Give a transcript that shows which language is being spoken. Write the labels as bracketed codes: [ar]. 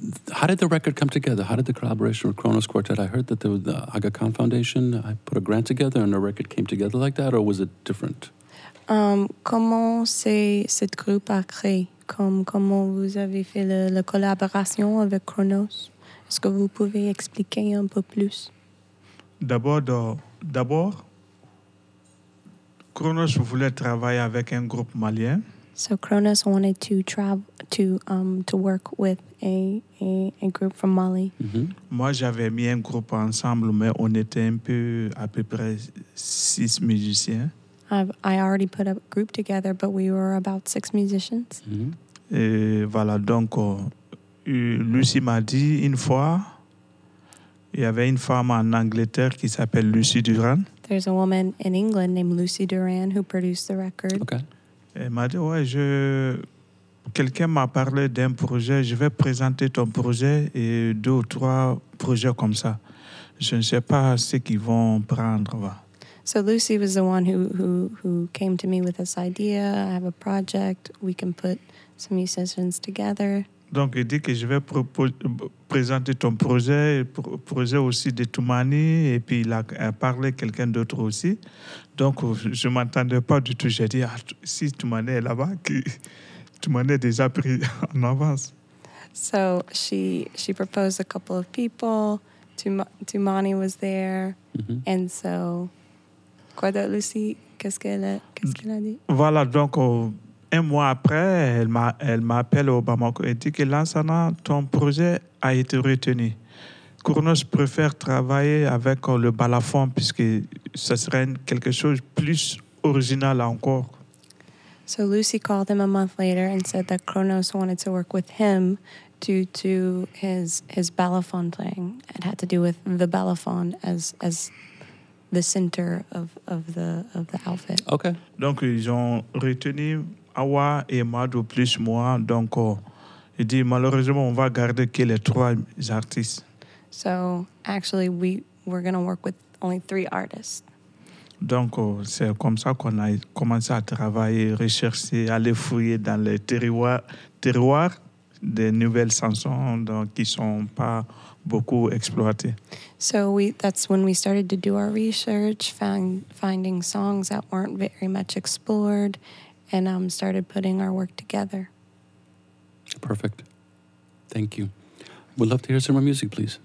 [en] How did the record come together? How did the collaboration with Kronos Quartet? I heard that there was the Aga Khan Foundation. I put a grant together and a record came together like that, or was it different? [fr] Comment cette groupe a créé? Comment vous avez fait la collaboration avec Kronos? Est-ce que vous pouvez expliquer un peu plus? D'abord, Kronos voulait travailler avec un groupe malien. [en] So Kronos wanted to travel to work with a group from Mali. Mm-hmm. [fr] Moi, j'avais mis un groupe ensemble, mais on était un peu à peu près 6 musiciens. [en] I already put a group together, but we were about 6 musicians. Mm-hmm. [fr] Et voilà, donc Lucie m'a dit une fois, il y avait une femme en Angleterre qui s'appelle Lucie Duran. [en] There's a woman in England named Lucy Duran who produced the record. Okay. [fr] Elle m'a dit, ouais, quelqu'un m'a parlé d'un projet, je vais présenter ton projet et 2 ou 3 projets comme ça. Je ne sais pas ce qu'ils vont prendre. [en] So Lucy was the one who came to me with this idea. I have a project, we can put some musicians together. [fr] Donc elle dit que je vais présenter ton projet, projet aussi de Toumani, et puis il a parlé quelqu'un d'autre aussi. Donc je ne m'entendais pas du tout. J'ai dit, ah, si Toumani est là-bas, Toumani est déjà pris en avance. [en] So she proposed a couple of people, Toumani was there, mm-hmm. and so, [fr] quoi d'autre, Lucy, qu'est-ce qu'elle a dit? Voilà, donc... Un mois après, elle m'a appelé au Bamako et dit que Lansana, ton projet a été retenu. Kronos préfère travailler avec le balafon puisque ça serait quelque chose plus original encore. [en] So Lucy called him a month later and said that Kronos wanted to work with him due to his balafon playing. It had to do with the balafon as the center of the outfit. Okay. [fr] Donc ils ont retenu Awa et Madou plus moi, donc il dit malheureusement on va garder que les 3 artistes. [en] So actually we're gonna work with only 3 artists. [fr] Donc c'est comme ça qu'on a commencé à travailler, rechercher, aller fouiller dans les terroirs des nouvelles chansons donc qui sont pas beaucoup exploitées. [en] So that's when we started to do our research, finding songs that weren't very much explored. And started putting our work together. Perfect. Thank you. We'd love to hear some more music, please.